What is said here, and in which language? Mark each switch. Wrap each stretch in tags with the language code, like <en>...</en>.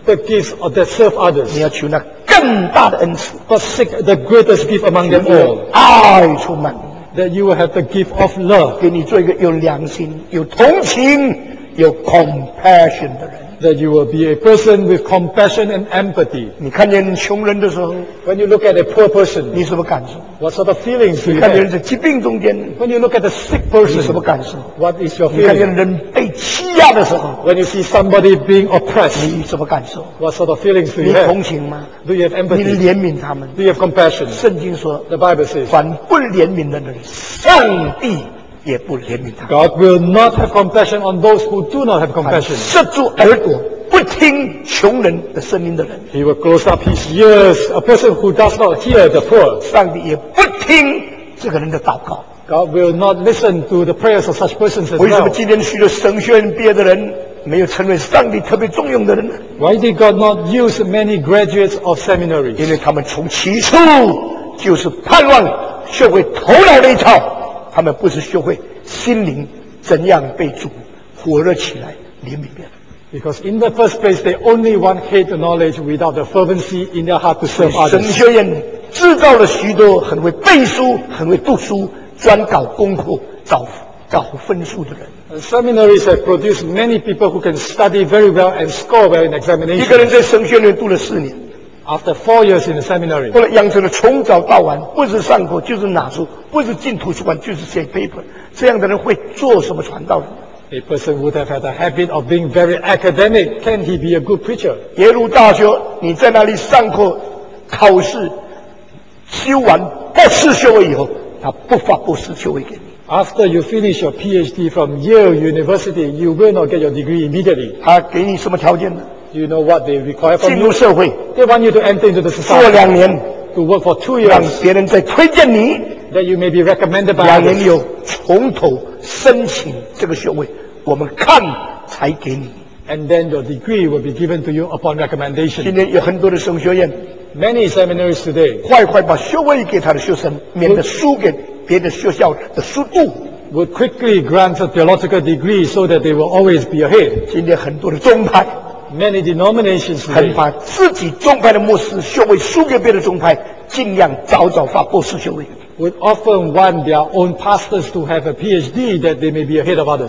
<en>The gifts of that serve others.</en> <zh>你要求那更大的恩赐</zh> <en>but seek the greatest gift among them all.</en> <zh>爱充满</zh> <en>that you will have the gift of love.</en> <zh>给你做一个有良心、有同情、有 compassion 的人</zh> <en>that you will be a person with compassion and empathy.</en> <zh>你看见穷人的时候</zh> <en>when you look at a poor person,</en> <zh>你什么感受</zh> <en>what sort of feelings do you have?</en> <zh>你看见人在疾病中间</zh> <en>when you look at a sick person,</en> <zh>你什么感受</zh> <en>what is your feeling?</en> <zh>你看见人被欺压的时候</zh> <en>when you see somebody being oppressed,</en> <zh>你什么感受</zh> <en>what sort of feelings do you have?</en> <zh>你同情吗</zh> <en>Do you have empathy?</en> <zh>你怜悯他们。</zh> <en>Do you have compassion?</en> <zh>圣经说</zh> <en>The Bible says,</en> <zh>凡不怜悯的人，上帝也不怜悯他。</zh> <en>God will not have compassion on those who do not have compassion.</en> <zh>塞住耳朵，不听穷人的声音的人。</zh> <en>He will close up his ears. A person who does not hear the poor.</en> <zh>上帝也不听这个人的祷告。</zh> <en>God will not listen to the prayers of such persons as well.</en> <zh>为什么今天许多神学院毕业的人？没有成为上帝特别重用的人呢</zh> <en>Why did God not use many graduates of seminaries?</en> <zh>因为他们从起初就是盼望学会头脑的一套他们不是学会心灵怎样被主火热起来怜悯别人</zh> <en>Because in the first place they only want hate knowledge without the fervency in their heart to serve others</en> <zh>神学院制造了许多很会背书很会读书专搞功课找分数的人</zh> <en>Seminaries have produced many people who can study very well and score well in examinations.</en> <zh>一个人在神学院读了四年</zh> <en>After 4 years in the seminary,</en> <zh>后来养成了从早到晚不是上课就是拿书不是进图书馆就是写 paper 这样的人会做什么传道人</zh> <en>A person would have had a habit of being very academic. Can he be a good preacher?</en> <zh>耶鲁大学你在那里上课考试修完博士学位以后他不发博士学位给你</zh> <en>After you finish your PhD from Yale University, you will not get your degree immediately.</en> <zh>他给你什么条件呢</zh> <en>Do you know what they require from you?</en> <zh>进入社会。</zh> <en>They want you to enter into the society.</en> <zh>做两年。</zh> <en>To work for 2 years.</en> <zh>让别人再推荐你。</zh> <en>That you may be recommended by others.</en> <zh>两年有从头申请这个学位，我们看才给你。</zh> <en>And then your degree will be given to you upon recommendation.</en> <zh>今天有很多的神学院。</zh> <en>Many seminaries today.</en> <zh>快快把学位给他的学生，免得输给。别的学校的速度</zh> <en>would quickly grant a theological degree so that they will always be ahead.</en> <zh>今天很多的宗派</zh> <en>many denominations</en> <zh>很怕自己宗派的牧师学位输给别的宗派，尽量早早发博士学位</zh> <en>would often want their own pastors to have a PhD that they may be ahead of others.</en>